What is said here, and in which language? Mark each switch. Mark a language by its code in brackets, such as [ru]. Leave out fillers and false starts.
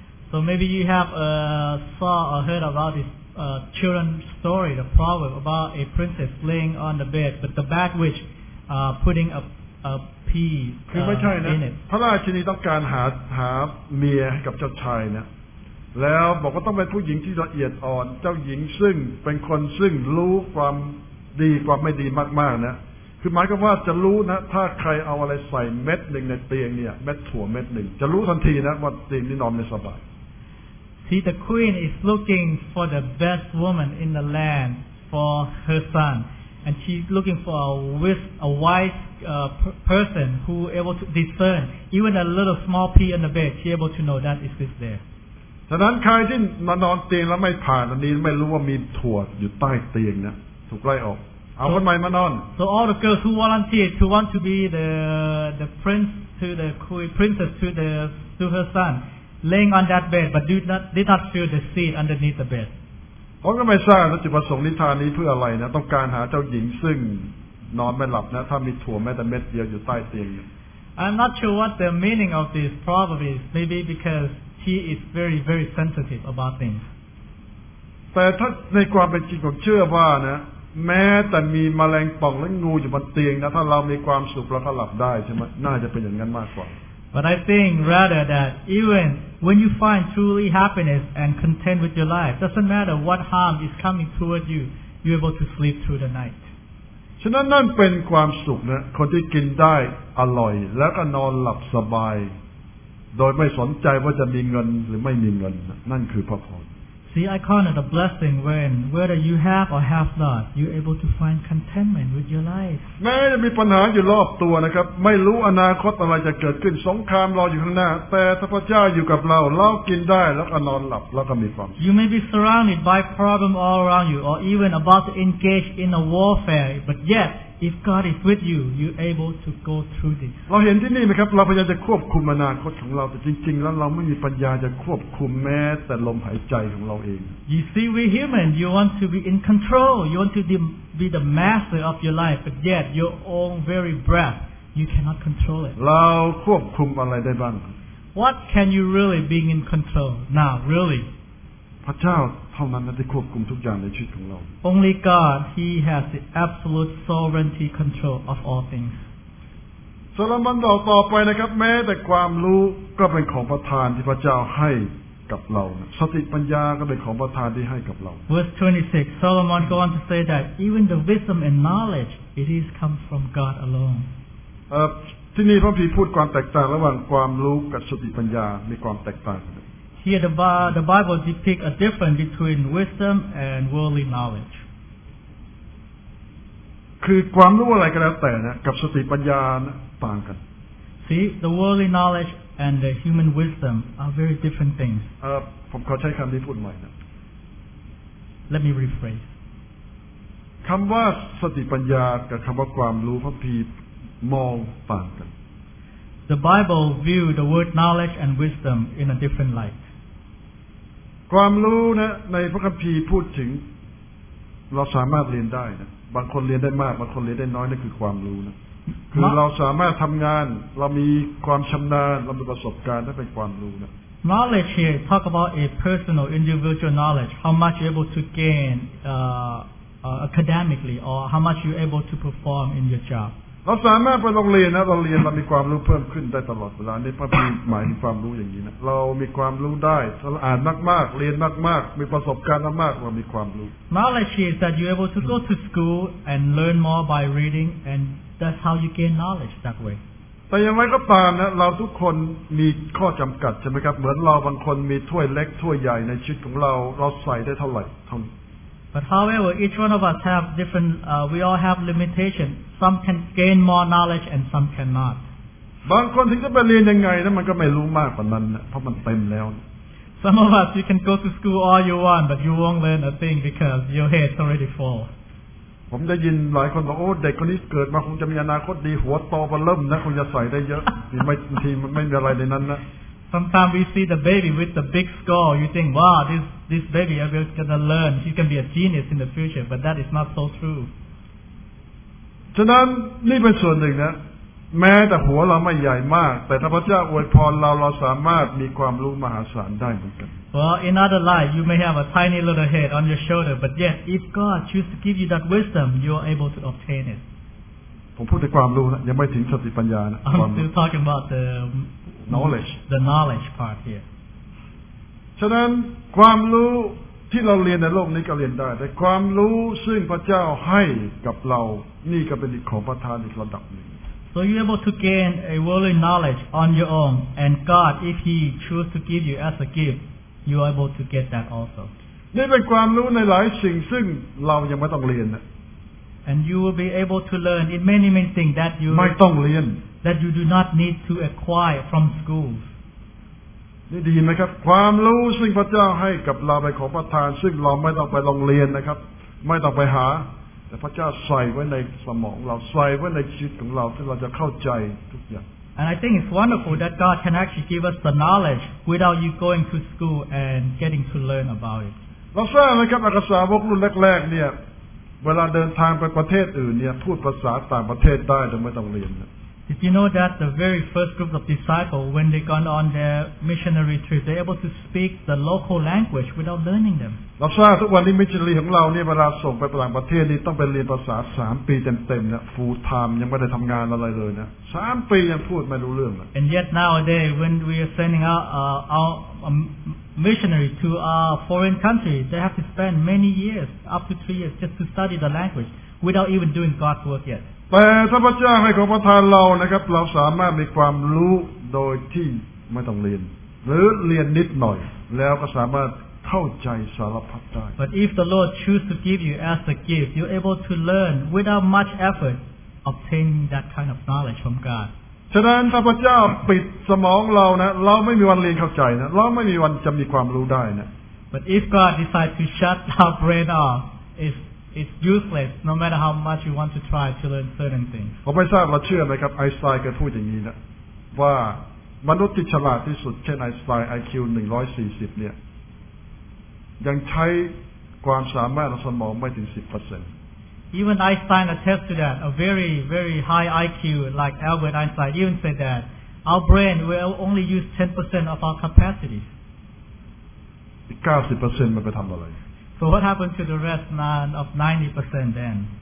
[en] So maybe you have saw or heard about this children's story the proverb about a princess laying on the bed but the bad witch putting a [th] คือไม่ใช่นะพระราชินีต้องการหาเมียให้กับเจ้าชายนะแล้วบอกว่าต้องเป็นผู้หญิงที่ละเอียดอ่อนเจ้าหญิงซึ่งเป็นคนซึ่งรู้ความดีความไม่ดีมากๆนะคือหมายความว่าจะรู้นะถ้าใครเอาอะไรใส่เม็ดหนึ่งในเตียงเนี่ยเม็ดถั่วเม็ดหนึ่งจะรู้ทันทีนะว่าเตียงนี้นอนไม่สบาย [en] See the queen is looking for the best woman in the land for her son and she's looking for a wisePerson who able to discern even a little small pea in the bed she able to know that is there [th] ฉะนั้นใครที่นอนเตียงแล้วไม่ผ่านอันนี้ไม่รู้ว่ามีถั่วอยู่ใต้เตียงนะถูกไล่ออกเอาคนใหม่มานอน [en] So all the girls who volunteered to want to be the prince to the queen princess to the to her son laying on that bed but did not feel the seat underneath the bed [th] ผมก็ไม่ทราบว่าจุดประสงค์นิทานนี้เพื่ออะไรนะต้องการหาเจ้าหญิงซึ่งนอนไม่หลับนะถ้ามีถั่วแม้แต่เม็ดเดียวอยู่ใต้เตียง [en] I'm not sure what the meaning of this proverb is. Maybe because she is very, very sensitive about things. [th] แต่ถ้าในความเป็นจริงผมเชื่อว่านะแม้แต่มีแมลงป่องและงูอยู่บนเตียงนะถ้าเรามีความสุขเราก็หลับได้ใช่ไหมน่าจะเป็นอย่างนั้นมากกว่า [en] But I think rather that even when you find truly happiness and content with your life, doesn't matter what harm is coming toward you, you're able to sleep through the night. [th] ฉะนั้นนั่นเป็นความสุขนะคนที่กินได้อร่อยแล้วก็นอนหลับสบายโดยไม่สนใจว่าจะมีเงินหรือไม่มีเงินนั่นคือพระพร [en] See I call it the blessing when whether you have or have not you're able to find contentment with your life [th] แม้จะมีปัญหาอยู่รอบตัวนะครับไม่รู้อนาคตอะไรจะเกิดขึ้นสงครามรออยู่ข้างหน้าแต่ถ้าพระเจ้าอยู่กับเราเรากินได้แล้วก็นอนหลับแล้วก็มีความสุข [en] You may be surrounded by problems all around you or even about to engage in a warfare but yet if God is with you you're able to go through this [th] เราเห็นที่นี่ไหมครับเราพยายามจะควบคุมอนาคตของเราแต่จริงๆแล้วเราไม่มีปัญญาจะควบคุมแม้แต่ลมหายใจของเราเอง [en] You see we human you want to be in control you want to be the master of your life but yet your own very breath you cannot control it [th] เราควบคุมอะไรได้บ้าง [en] What can you really be in control now really [th] พระเจ้าเท่านั้นนะที่ควบคุมทุกอย่างในชีวิตของเรา [en] Only God He has the absolute sovereignty control of all things [th] โซโลมอนบอกต่อไปนะครับแม้แต่ความรู้ก็เป็นของประทานที่พระเจ้าให้กับเราสติปัญญาก็เป็นของประทานที่ให้กับเรา [en] Verse 26 Solomon go on to say that even the wisdom and knowledge it is come from God alone [th] ที่นี่พระพีพูดความแตกต่างระหว่างความรู้กับสติปัญญามีความแตกต่าง [en] Here the Bible depicts a difference between wisdom and worldly knowledge. [th] คือความรู้อะไรก็แล้วแต่นะกับสติปัญญานะต่างกัน [en] See the worldly knowledge and the human wisdom are very different things. [th] ผมขอใช้คำที่พูดใหม่นะ [en] Let me rephrase. [th] คำว่าสติปัญญากับคำว่าความรู้พระพีมองต่างกัน [en] The Bible view the word knowledge and wisdom in a different light. [th] ความรู้นะในพระคัมภีร์พูดถึงเราสามารถเรียนได้นะบางคนเรียนได้มากบางคนเรียนได้น้อยนั่นคือความรู้นะคือเราสามารถทำงานเรามีความชำนาญเรามีประสบการณ์นั่นเป็นความรู้นะ [en] Knowledge here talk about a personal individual knowledge how much you're able to gain academically or how much you're able to perform in your job [th] เราสามารถไปโรงเรียนนะเราเรียนเรามีความรู้เพิ่มขึ้นได้ตลอดเวลาในพระคัมภีร์หมายถึงความรู้อย่างนี้นะเรามีความรู้ได้เราอ่านมากมากเรียนมากมากมีประสบการณ์มากเรามีความรู้ [en] Knowledge is that you're able to go to school and learn more by reading and that's how you gain knowledge that way [th] แต่อย่างไรก็ตามนะเราทุกคนมีข้อจำกัดใช่ไหมครับเหมือนเราบางคนมีถ้วยเล็กถ้วยใหญ่ในชีวิตของเราเราใส่ได้เท่าไหร่ทั้ง [en] But however each one of us have different we all have limitation some can gain more knowledge and some cannot [th] บางคนถึงจะไปเรียนยังไงนะมันก็ไม่รู้มากกว่านั้นเพราะมันเต็มแล้ว [en] Some of us you can go to school all you want but you won't learn a thing because your head's already full [th] ผมได้ยินหลายคนบอกโอ้เด็กคนนี้เกิดมาคงจะมีอนาคตดีหัวโตมาเริ่มนะคงจะใส่ได้เยอะบางทีไม่มีอะไรในนั้นนะ [en] Sometimes we see the baby with the big skull you think wow this baby is going to learn he's going to be a genius in the future but that is not so true [th] ฉะนั้นนี่เป็นส่วนหนึ่งนะแม้แต่หัวเราไม่ใหญ่มากแต่ถ้าพระเจ้าอวยพรเราสามารถมีความรู้มหาศาลได้เหมือนกัน [en] Well, in other life, you may have a tiny little head on your shoulder, but yet, if God chooses to give you that wisdom, you are able to obtain it. ผมพูดถึงความรู้นะยังไม่ถึงสติปัญญานะ I'm still talking about the knowledge. The knowledge part here. [th] ฉะนั้นความรู้ที่เราเรียนในโลกนี้ก็เรียนได้แต่ความรู้ซึ่งพระเจ้าให้กับเรานี่ก็เป็นของประทานอีกระดับหนึ่ง [en] So you're able to gain a worldly knowledge on your own, and God, if He chooses to give you as a gift, you're able to get that also. [th] นี่เป็นความรู้ในหลายสิ่งซึ่งเรายังไม่ต้องเรียนนะ [en] And you will be able to learn in many, many things that you [th] ไม่ต้องเรียน [en] that you do not need to acquire from schools. [th] นี่ดีไหมครับความรู้ซึ่งพระเจ้าให้กับเราไปขอประทานซึ่งเราไม่ต้องไปโรงเรียนนะครับไม่ต้องไปหาแต่พระเจ้าใส่ไว้ในสมองเราใส่ไว้ในชีวิตของเราที่เราจะเข้าใจทุกอย่าง [en] And I think it's wonderful that God can actually give us the knowledge without you going to school and getting to learn about it [th] เราทราบนะครับอักษรพวกรุ่นแรกๆเนี่ยเวลาเดินทางไปประเทศอื่นเนี่ยพูดภาษาต่างประเทศได้โดยไม่ต้องเรียน [en] Did you know that the very first group of disciples when they gone on their missionary trip they able to speak the local language without learning them [th] เราทราบทุกวันนี้มิชชันนารีของเราเนี่ยเวลาส่งไปต่างประเทศนี่ต้องไปเรียนภาษา3ปีเต็มๆนะ [en] full time [th] ยังไม่ได้ทำงานอะไรเลยนะ3ปียังพูดไม่รู้เรื่องเลย [en] And yet nowadays when we are sending out our missionary to our foreign country they have to spend many years up to 3 years just to study the language without even doing God's work yet [th] แต่ถ้าพระเจ้าให้ของประทานเรานะครับเราสามารถมีความรู้โดยที่ไม่ต้องเรียนหรือเรียนนิดหน่อยแล้วก็สามารถเข้าใจสารพัดได้ [en] But if the Lord choose to give you as a gift, you're able to learn without much effort, obtain that kind of knowledge from God. [th] ฉะนั้นถ้าพระเจ้าปิดสมองเรานะเราไม่มีวันเรียนเข้าใจนะเราไม่มีวันจะมีความรู้ได้นะ [en] But if God decides to shut our brain off, it's useless. No matter how much you want to try to learn certain things. [th] ผมไม่ทราบเราเชื่อไหมครับไอสไตน์เคยพูดอย่างนี้นะว่ามนุษย์ที่ฉลาดที่สุดเช่นไอสไตน์ IQ 140เนี่ยยังใช้ความสามารถของสมองไม่ถึง 10% [en] Even Einstein attest to that a very very high IQ like Albert Einstein even said that our brain will only use 10% of our capacity [th] 90% มันไปทำอะไร [en] So what happened to the rest none of 90% then